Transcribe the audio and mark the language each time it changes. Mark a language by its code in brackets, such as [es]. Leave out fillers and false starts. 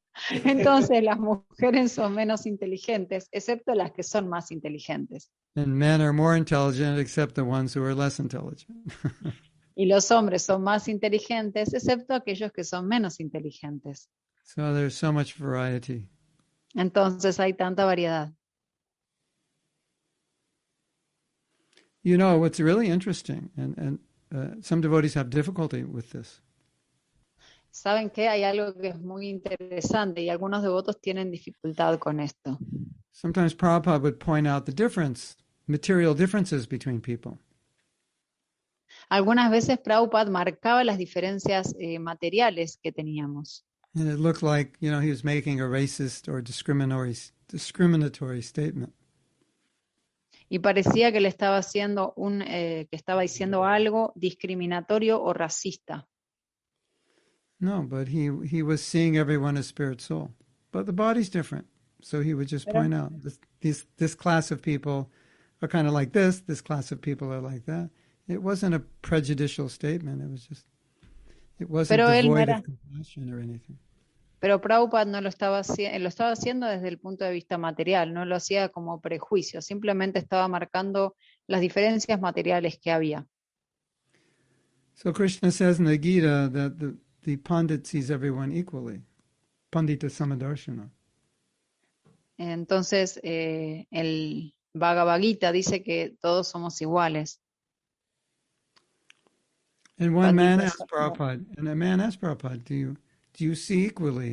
[es] Entonces las mujeres son menos inteligentes, excepto las que son más inteligentes. [en] And men are more intelligent except the ones who are less intelligent. [es] Y los hombres son más inteligentes, excepto aquellos que son menos inteligentes. [en] So there's so much variety. [es] Entonces hay tanta variedad. [en] You know, what's really interesting, and some devotees have difficulty with this. [es] ¿Saben qué? Hay algo que es muy interesante y algunos devotos tienen dificultad con esto. [en] Sometimes Prabhupada would point out the difference, material differences between people. [es] Algunas veces Prabhupada marcaba las diferencias materiales que teníamos. [en] And it looked like, you know, he was making a racist or discriminatory statement. [es] Y parecía que le estaba haciendo un que estaba diciendo algo discriminatorio o racista. [en] No, but he was seeing everyone as spirit soul. But the body's different. So he would just point out this class of people are kind of like this, this class of people are like that. It wasn't a prejudicial statement, it wasn't devoid of compassion or anything. [es] Pero Prabhupada no lo estaba haciendo desde el punto de vista material, no lo hacía como prejuicio, simplemente estaba marcando las diferencias materiales que había. [en] So Krishna says in the Gita that the pandit sees everyone equally. [sa] Pandita Samadarshana. [es] Entonces, el Bhagavad Gita dice que todos somos iguales. [en] And one man asked Prabhupada, do you see equally?